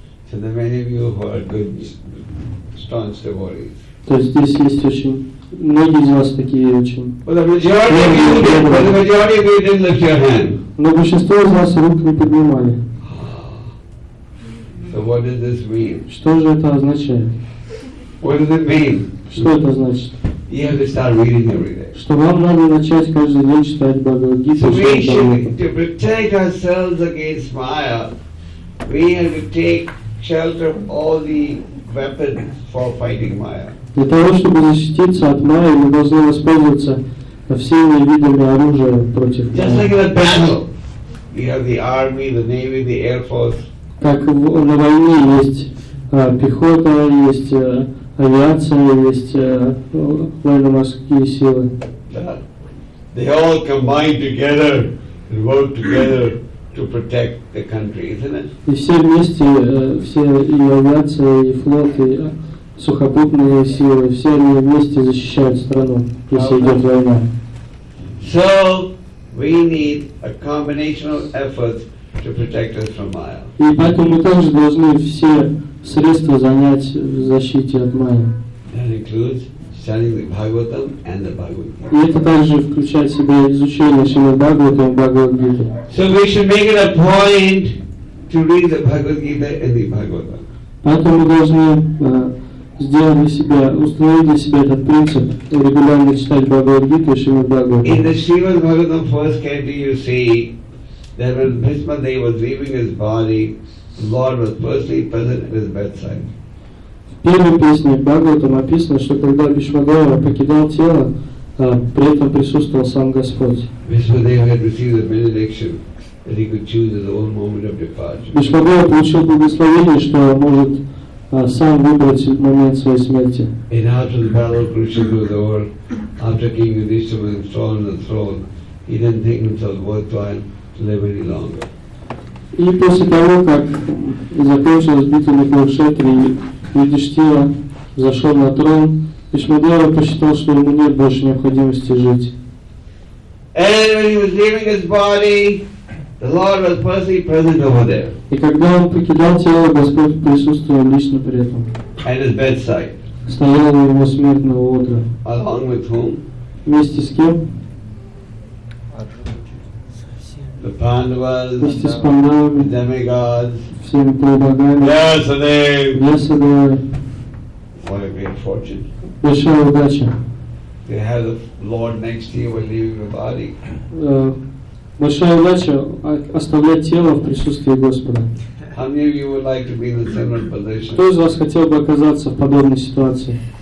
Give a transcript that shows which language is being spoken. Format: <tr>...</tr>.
<en>So there are many of you who are good, staunch devotees.</en> <ru>То есть здесь есть очень многие из вас такие очень.</ru> <en>But the majority of you did. But the majority of you didn't lift your hand.</en> <ru>Но большинство из вас рук не поднимали.</ru> <en>So what does this mean?</en> <ru>Что же это означает?</ru> <en>What does it mean?</en> <ru>Что это значит?</ru> <en>You have to start reading every day.</en> <ru>Что вам надо начать каждый день читать Бхагавад-гиту.</ru> <en>So we should protect ourselves against Maya. We have to take shelter of all the weapons for fighting Maya.</en> <ru>Для того, чтобы защититься от Майи, мы должны воспользоваться всеми видами оружия против Майи.</ru> <en>Just like in a battle, we have the army, the navy, the air force.</en> <ru>Так на войне есть пехота, есть авиация, есть военно-морские силы.</ru> <en>They all combine together and work together to protect the country, isn't it?</en> <ru>И все вместе, все и авиация, и флот, и сухопутные силы, все они вместе защищают страну, если идет война.</ru> <en>So we need a combination of efforts to protect us from Maya.</en> <ru>И поэтому мы также должны все средства занять в защите от Майи.</ru> <en>That includes studying the Bhagavatam and the Bhagavad-gita.</en> <ru>И это также включает в себя изучение Шримад-Бхагаватам и Бхагавад-гиты.</ru> <en>So we should make it a point to read the Bhagavad-gita and the Bhagavatam.</en> <ru>Поэтому мы должны сделали себя, установили для себя этот принцип регулярно читать Бхагавад-гиту и Шримад-Бхагаватам.</ru> <en>In the Шримад-Бхагаватам first canto you see that when Bhishma Deva was leaving his body, the Lord was personally present at his bedside.</en> <ru>В первой песне Бхагаватам написано, что когда Бхишма Дева покидал тело, при этом присутствовал сам Господь.</ru> <en>Bhishma Deva had received the benediction that he could choose his own moment of departure.</en> <ru>Бхишма Дева получил благословение, что он может сам выбрать момент своей смерти.</ru> <en>And after the battle of Kurukshetra, after King Yudhishthira was installed on the throne, he didn't think himself worthwhile to live any longer.</en> <ru>И после того, как закончилась битва на Курукшетре, Юдиштира зашел на трон, Бхишма Дева посчитал, что ему нет больше необходимости жить.</ru> <en>And when he was leaving his body, the Lord was personally present over there.</en> <ru>И когда он покидал тело, Господь присутствовал лично при этом.</ru> <en>At his bedside.</en> <ru>Стоял у его смертного одра.</ru> <en>Along with whom?</en> <ru>Вместе с кем?</ru> <en>The Pandavas.</en> <ru>Вместе с Пандавами.</ru> <en>The demigods.</en> <ru>Всеми полубогами.</ru> <en>Vyasadeva.</en> <ru>Vyasadeva.</ru> <en>What a great fortune.</en> <ru>Большая удача.</ru> <en>They have the Lord next year while leaving the body.</en> <ru>Большая удача оставлять тело в присутствии Господа. Кто из вас хотел бы оказаться в подобной ситуации?</ru>